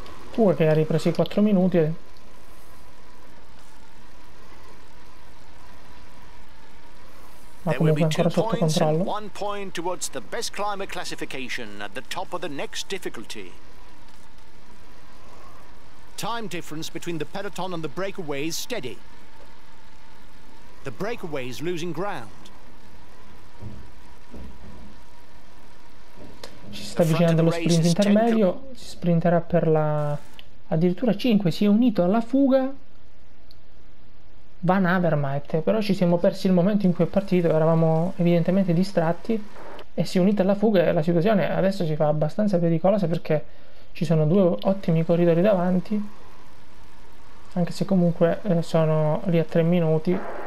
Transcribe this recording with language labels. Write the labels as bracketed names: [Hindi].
[Italian] Fuga che ha ripreso i 4 minuti. Ma comunque ancora sotto controllo. [English] One point towards the best climber classification at the top of the next difficulty. Time difference between the peloton and the breakaway is steady. The breakaway is losing ground. [Italian] Ci sta avvicinando lo sprint intermedio, si sprinterà per la addirittura 5, si è unito alla fuga Van Avermaet, però ci siamo persi il momento in cui è partito, eravamo evidentemente distratti e si è unita alla fuga e la situazione adesso si fa abbastanza pericolosa, perché ci sono due ottimi corridori davanti, anche se comunque sono lì a 3 minuti.